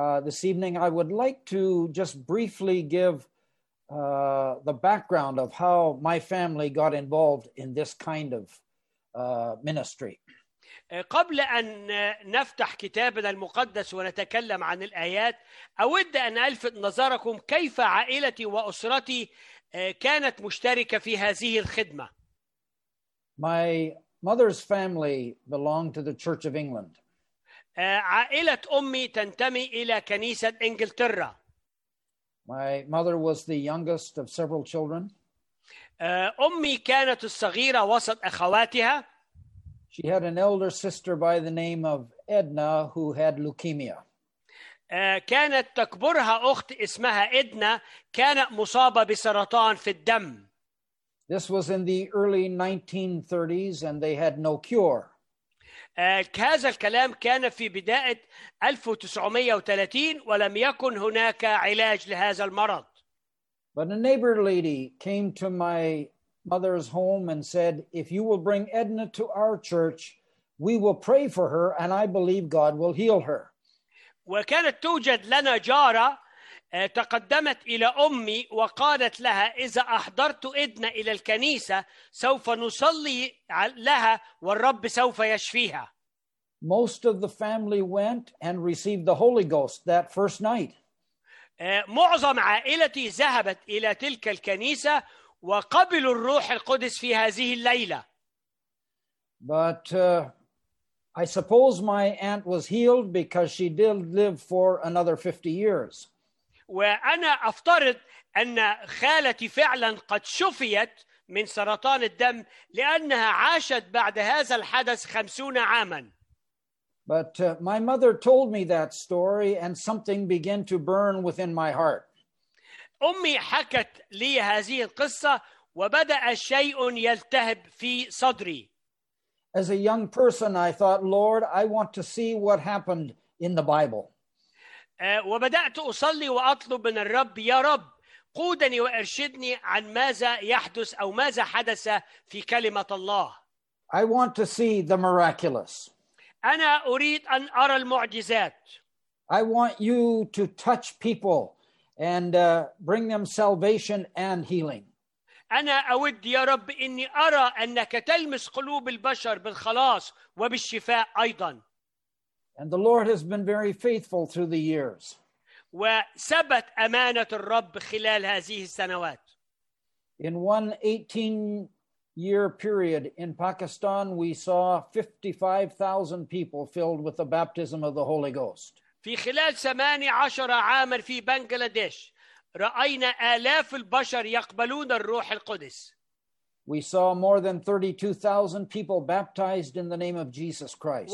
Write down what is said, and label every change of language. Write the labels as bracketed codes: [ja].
[en] This evening, I would like to just briefly give the background of how my family got involved in this kind of ministry. [ar] قبل أن نفتح كتابنا المقدس ونتكلم عن الآيات، أود أن ألفت نظركم كيف عائلتي وأسرتي كانت مشتركة في هذه الخدمة. [en] My mother's family belonged to the Church of England. [ar] عائلة أمي تنتمي إلى كنيسة إنجلترا. [en] My mother was the youngest of several children. [ar] أمي كانت الصغيرة وسط أخواتها. [en] She had an elder sister by the name of Edna who had leukemia. [ar] كانت تكبرها أخت اسمها إدنا كانت مصابة بسرطان في الدم. [en] This was in the early 1930s and they had no cure. [ar] هذا الكلام كان في بداية 1930 ولم يكن هناك علاج لهذا المرض. [en] But a neighbor lady came to my mother's home and said, if you will bring Edna to our church, we will pray for her and I believe God will heal her. [ar] وكانت توجد لنا جارة تقدمت إلى أمي وقالت لها إذا أحضرت إدنا إلى الكنيسة سوف نصلي لها والرب سوف يشفيها. [en] Most of the family went and received the Holy Ghost that first night. [ar] معظم عائلتي ذهبت إلى تلك الكنيسة وقبلوا الروح القدس في هذه الليلة. [en] But I suppose my aunt was healed because she did live for another 50 years. [ar] وأنا أفترض أن خالتي فعلا قد شفيت من سرطان الدم لأنها عاشت بعد هذا الحدث 50 عاما. [en] But my mother told me that story and something began to burn within my heart. [ar] أمي حكت لي هذه القصة وبدأ شيء يلتهب في صدري. [en] As a young person, I thought, Lord, I want to see what happened in the Bible. [ar] وبدأت أصلي وأطلب من الرب يا رب قودني وأرشدني عن ماذا يحدث أو ماذا حدث في كلمة الله. [en] I want to see the miraculous. [ar] أنا أريد أن أرى المعجزات. [en] I want you to touch people and bring them salvation and healing. [ar] أنا أود يا رب إني أرى أنك تلمس قلوب البشر بالخلاص وبالشفاء أيضا. [en] And the Lord has been very faithful through the years. [ar] وثبت أمانة الرب خلال هذه السنوات. [en] In one 18-year period in Pakistan, we saw 55,000 people filled with the baptism of the Holy Ghost. [ar] في خلال 18 عاما في بنغلاديش رأينا آلاف البشر يقبلون الروح القدس. [en] We saw more than 32,000 people baptized in the name of Jesus Christ.